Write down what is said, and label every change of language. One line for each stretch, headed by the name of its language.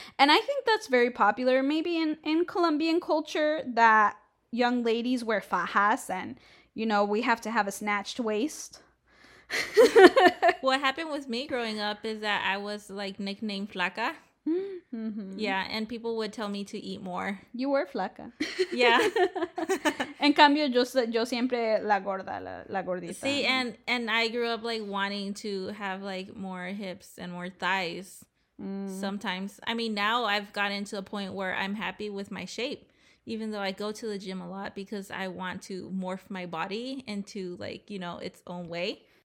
English: And I think that's very popular maybe in Colombian culture that young ladies wear fajas and, you know, we have to have a snatched waist. What happened with me growing up is that I was like nicknamed Flaca. Mm-hmm. Yeah, and people would tell me to eat more. You were flaca. Yeah.
Spanish: En cambio, yo siempre la gorda, la gordita.
English: See, and I grew up, like, wanting to have, like, more hips and more thighs sometimes. I mean, now I've gotten to a point where I'm happy with my shape, even though I go to the gym a lot because I want to morph my body into, like, you know, its own way.